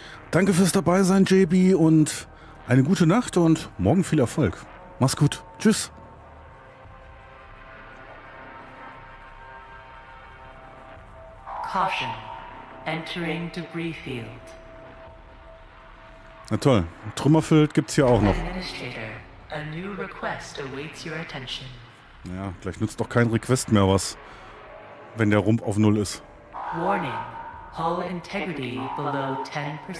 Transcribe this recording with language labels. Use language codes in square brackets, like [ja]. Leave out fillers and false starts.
[de] Danke fürs Dabeisein, JB, und eine gute Nacht und morgen viel Erfolg. Mach's gut. Tschüss. [en] Caution. Entering debris field. [de] Na toll, Trümmerfeld gibt's hier auch noch. [en] A new request awaits your attention. [de] Ja, gleich nützt doch kein Request mehr was, wenn der Rumpf auf Null ist. [en] Warning, hull integrity below 10%.